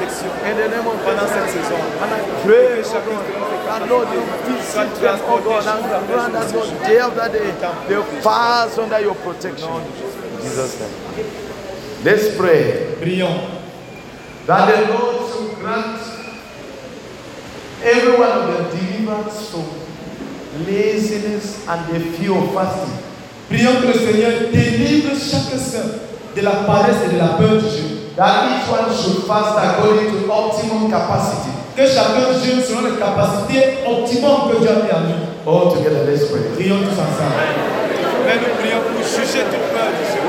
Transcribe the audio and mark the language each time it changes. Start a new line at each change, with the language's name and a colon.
English: In the name of Jesus, and I pray, God, Lord, you visit them, oh God, and grant that on the day of that day, they pass under your protection. In Jesus' name. Let's pray.
French: Prion.
English: That the Lord should grant every one of them deliverance from laziness and the fear of fasting.
French: Prions que le Seigneur délivre chaque soeur de la paresse et de la peur du jeûne.
English: That each one should fast according to optimum capacity.
French: Que chacun jeûne selon les capacités optimum que Dieu a mis en nous.
English: All together, let's pray.
French: Prions tous ensemble. Mais nous prions pour juger toute peur du jeûne.